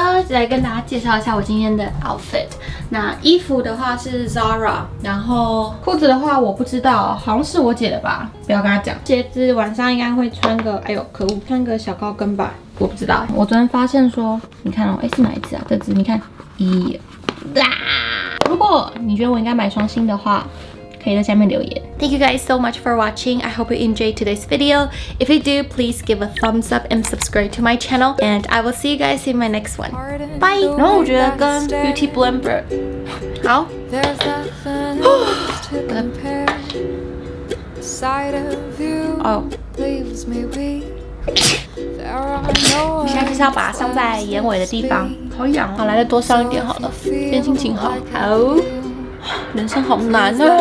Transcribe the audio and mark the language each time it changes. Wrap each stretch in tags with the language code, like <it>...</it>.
<zh>来跟大家介绍一下我今天的 outfit。那衣服的话是 Zara， 然后裤子的话我不知道，好像是我姐的吧，不要跟她讲。鞋子晚上应该会穿个，哎呦可恶，穿个小高跟吧，我不知道。我昨天发现说，你看哦，哎是哪一只啊？这只，你看，咦，啊！如果你觉得我应该买双新的话，可以在下面留言。</zh> <en>Thank you guys so much for watching. I hope you enjoyed today's video. If you do, please give a thumbs up and subscribe to my channel. And I will see you guys in my next one. Bye!</en> <zh>然后我觉得跟 Beauty Blender 好。你现在是要把它上在眼尾的地方，好痒哦。好，来再多上一点好了，今天心情好。好，人生好难啊。</zh>